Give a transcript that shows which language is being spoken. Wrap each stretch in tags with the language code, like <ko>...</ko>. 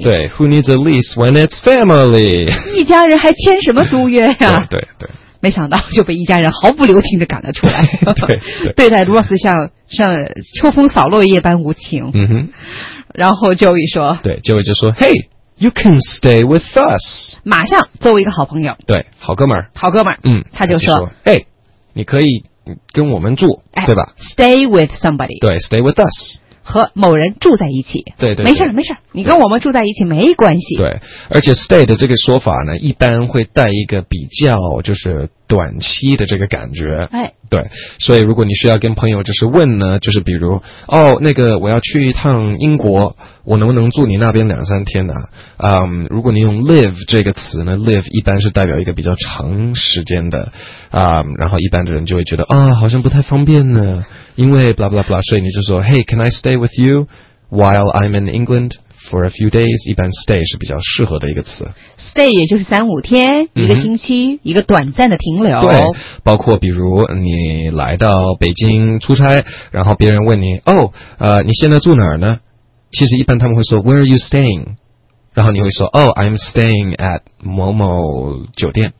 <en>对 ,Who needs a lease when it's family?</en> <zh>一家人还签什么租约啊？对 对, 对。没想到就被一家人毫不留情地赶了出来。对, 对, 对待 Ross 像秋风扫落叶般无情。嗯哼。然后 Joey 说。</zh> <en>对 ,Joey</en> <zh>就说</zh> <en>,Hey, you can stay with us.</en> <zh>马上作为一个好朋友。对，好哥们儿。好哥们儿。他就说 ,</zh> <en>Hey,</en> <zh>你可以跟我们住、哎、对吧</zh> <en>?Stay with somebody. 对 ,Stay with us.</en> <zh>和某人住在一起，对 对, 对，没事没事，你跟我们住在一起没关系。对，而且 stay 的这个说法呢，一般会带一个比较就是短期的这个感觉。哎，对，所以如果你需要跟朋友就是问呢，就是比如哦，那个我要去一趟英国，我能不能住你那边两三天呢、啊？如果你用 live 这个词呢 ，live 一般是代表一个比较长时间的啊、然后一般的人就会觉得啊、哦，好像不太方便呢。因为</zh> <en>blah blah blah,</en> <zh>所以你就说</zh> <en>Hey, can I stay with you while I'm in England for a few days?</en> <zh>一般 stay 是比较适合的一个词。 Stay 也就是三五天、嗯、一个星期，一个短暂的停留。对，包括比如你来到北京出差，然后别人问你</zh> <en>Oh,</en> <zh>你现在住哪儿呢？其实一般他们会说</zh> <en>Where are you staying?</en> <zh>然后你会说</zh> <en>Oh, I'm staying at</en> <zh>某某酒店。</zh>